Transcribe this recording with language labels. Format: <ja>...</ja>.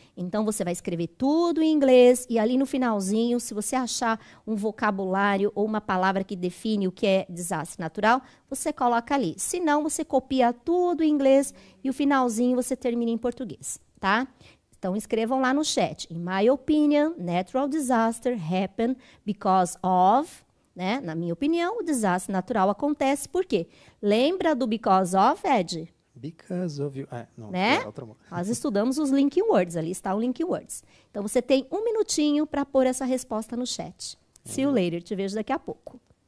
<pt>Então, você vai escrever tudo em inglês e ali no finalzinho, se você achar um vocabulário ou uma palavra que define o que é desastre natural, você coloca ali. Se não, você copia tudo em inglês e o finalzinho você termina em português, tá? Então, escrevam lá no chat.</pt> <en>In my opinion, natural disaster happen because of, né?</en> <pt>Na minha opinião, o desastre natural acontece por quê? Lembra do because of, Ed?</pt> <en>Because of you.</en> <pt>Nós estudamos os link words, ali está o link words. Então você tem um minutinho para pôr essa resposta no chat.</pt> <en>See you later,</en> <pt>te vejo daqui a pouco.</pt>